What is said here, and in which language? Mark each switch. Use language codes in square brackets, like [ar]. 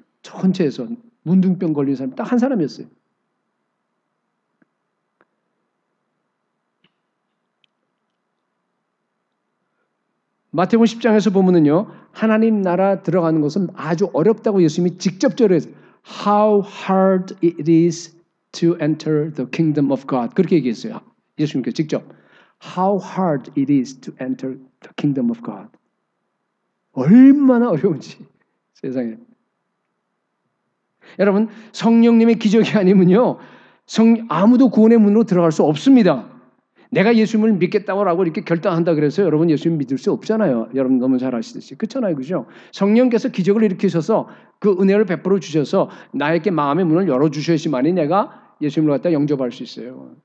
[ko] 전체에서 문둥병 걸린 사람 딱 한 사람이었어요. 마태복음 10장에서 보면은요 하나님 나라 들어가는 것은 아주 어렵다고 예수님이 직접적으로 했어요. [en] How hard it is to enter the kingdom of God. [ko] 그렇게 얘기했어요. 예수님께서 직접. [en] How hard it is to enter the kingdom of God. [ko] 얼마나 어려운지 세상에. 여러분 성령님의 기적이 아니면요 아무도 구원의 문으로 들어갈 수 없습니다. 내가 예수님을 믿겠다고 이렇게 결단한다 그래서 여러분 예수님 믿을 수 없잖아요. 여러분 너무 잘 아시듯이. 그렇잖아요. 그죠? 성령께서 기적을 일으키셔서 그 은혜를 베풀어 주셔서 나에게 마음의 문을 열어주셔야지만이 내가 예수님을 갖다 영접할 수 있어요.